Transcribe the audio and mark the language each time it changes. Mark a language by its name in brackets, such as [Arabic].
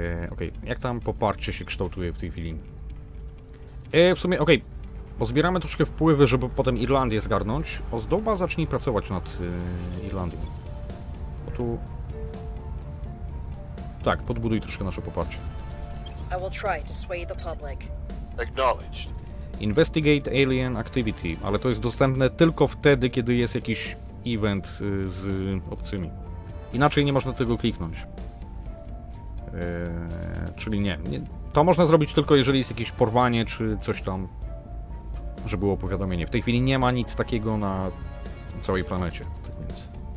[Polish] Okej, jak tam poparcie się kształtuje w tej chwili? W sumie, bo zbieramy troszkę wpływy, żeby potem Irlandię zgarnąć. Ozdoba, zacznij pracować nad Irlandią. Bo tu... Tak, podbuduj troszkę nasze poparcie. [English] I will try to sway the public. Acknowledged. Investigate alien activity, [Polish] ale to jest dostępne tylko wtedy, kiedy jest jakiś event z obcymi. Inaczej nie można tego kliknąć. Czyli nie. To można zrobić tylko, jeżeli jest jakieś porwanie, czy coś tam, że było powiadomienie. W tej chwili nie ma nic takiego na całej planecie. Tak więc.